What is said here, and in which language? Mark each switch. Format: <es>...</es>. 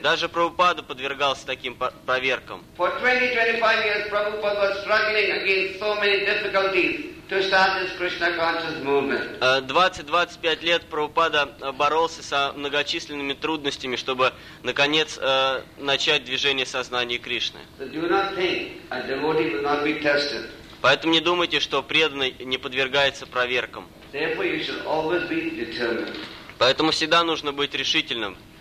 <ru>Даже Прабхупада подвергался таким проверкам.</ru> <en>For 20-25 years, Prabhupada was struggling against so many difficulties to start this Krishna conscious movement.</en> <ru>20-25 лет Прабхупада боролся со многочисленными трудностями, чтобы наконец начать движение сознания Кришны.</ru> <en>So do not think a devotee will not be tested.</en> <ru>Поэтому не думайте, что преданный не подвергается проверкам.</ru> <en>Therefore, you should always be determined.</en> <ru>Поэтому всегда нужно быть решительным.</ru>